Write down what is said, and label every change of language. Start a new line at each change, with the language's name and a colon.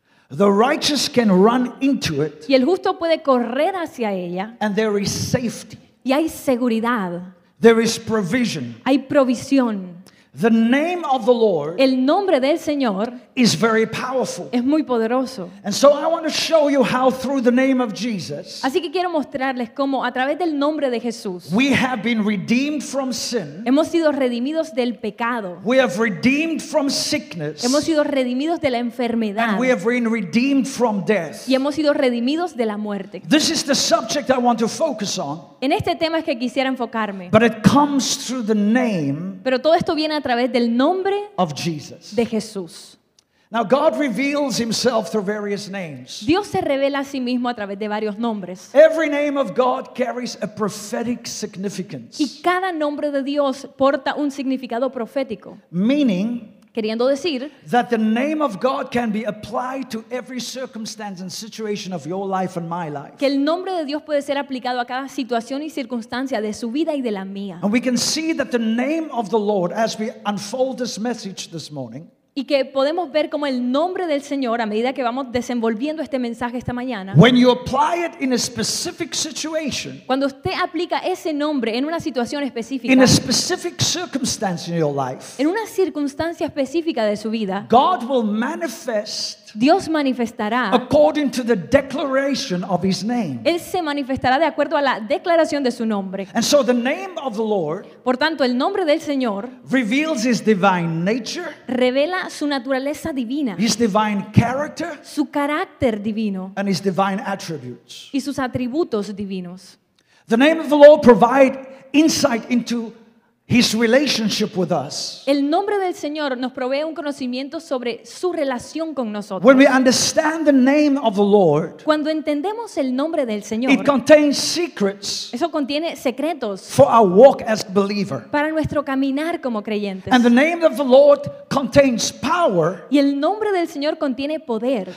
English: The righteous can run into it.
Spanish: Y el justo puede correr hacia ella.
English: And there is safety.
Spanish: Y hay seguridad.
English: There is provision.
Spanish: Hay provisión.
English: The name of the Lord.
Spanish: El nombre del Señor.
English: Is very powerful.
Spanish: Es muy poderoso.
English: And so I want to show you how through the name of Jesus.
Spanish: Así que quiero mostrarles cómo a través del nombre de Jesús.
English: We have been redeemed from sin.
Spanish: Hemos sido redimidos del pecado.
English: We have redeemed from sickness.
Spanish: Hemos sido redimidos de la enfermedad.
English: And we have been redeemed from death.
Spanish: Y hemos sido redimidos de la muerte.
English: This is the subject I want to focus on.
Spanish: En este tema es que quisiera enfocarme.
English: But it comes through the name.
Spanish: Pero todo esto viene a través del nombre
English: of Jesus.
Spanish: De Jesús.
English: Now God reveals himself through various names.
Spanish: Dios se revela a sí mismo a través de varios nombres.
English: Every name of God carries a prophetic significance.
Spanish: Y cada nombre de Dios porta un significado profético.
English: Meaning,
Spanish: queriendo decir,
English: that the name of God can be applied to every circumstance and situation of your life and my life.
Spanish: Que el nombre de Dios puede ser aplicado a cada situación y circunstancia de su vida y de la mía.
English: And we can see that the name of the Lord as we unfold this message this morning.
Spanish: Y que podemos ver cómo el nombre del Señor a medida que vamos desenvolviendo este mensaje esta mañana.
English: When you apply it in a specific situation,
Spanish: cuando usted aplica ese nombre en una situación específica,
English: in a specific circumstance in your life,
Spanish: en una circunstancia específica de su vida,
English: God will manifest,
Spanish: Dios manifestará,
English: according to the declaration of his name.
Spanish: Él se manifestará de acuerdo a la declaración de su nombre.
English: And so the name of the Lord,
Spanish: por tanto, el nombre del Señor
English: reveals his divine nature,
Spanish: revela su naturaleza divina,
English: his divine character,
Spanish: su carácter divino,
English: and his divine attributes,
Spanish: y sus atributos divinos.
English: The name of the Lord provide insight into his relationship with us.
Spanish: El nombre del Señor nos provee un conocimiento sobre su relación con nosotros.
English: When we understand the name of the Lord,
Spanish: cuando entendemos el nombre del Señor,
English: it contains secrets,
Spanish: eso contiene secretos,
English: for our walk as believer,
Spanish: para nuestro caminar como creyentes.
English: And the name of the Lord contains power,
Spanish: y el nombre del Señor contiene poder,